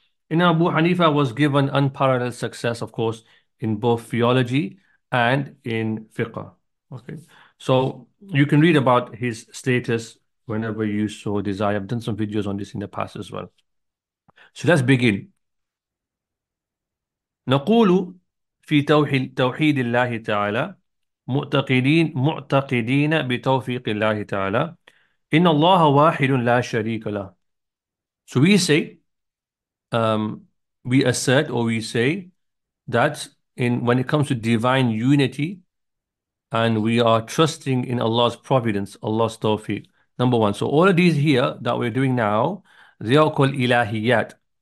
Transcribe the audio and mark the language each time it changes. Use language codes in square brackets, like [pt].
[en] And Abu Hanifa was given unparalleled success, of course, in both theology and in fiqh. Okay. So you can read about his status whenever you so desire. I've done some videos on this in the past as well. So let's begin. [ar] نقول في توحيد الله تعالى معتقدين بتوفيق الله تعالى إن الله واحد لا شريك له. [en] So we say, we assert or we say that in when it comes to divine unity, and we are trusting in Allah's providence, Allah's tawfiq. Number one. So all of these here that we're doing now, they are called ilahiyat.